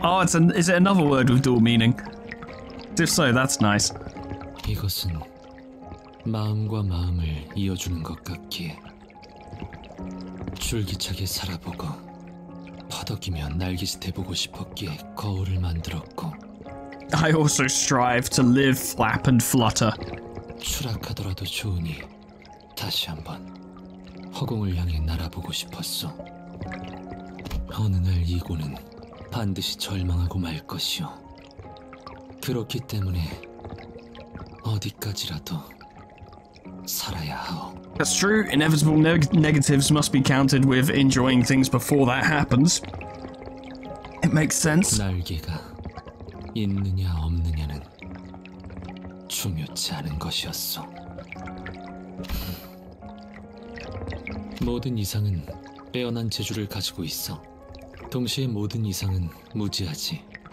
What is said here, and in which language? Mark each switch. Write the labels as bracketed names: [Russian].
[English] Oh, is it another word with dual meaning? If so, that's nice. [Korean] 이것은 마음과 마음을 이어주는 것 같기에 줄기차게 살아보고 퍼덕이며 날개짓 해보고 싶었기에 거울을 만들었고. [English] I also strive to live, flap and flutter. [Korean] 추락하더라도 좋으니 다시 한번 허공을 향해 날아보고 싶었어. 어느 날 이고는 반드시 절망하고 말 것이오. 그렇기 때문에 어디까지라도 살아야 하오. [English] That's true. Inevitable negatives must be counted with enjoying things before that happens. It makes sense. [Korean] 날개가 있느냐 없느냐는 중요치 않은 것이었어. 모든 이상은 빼어난 재주를 가지고 있어. 동시에 모든 이상은 무지하지.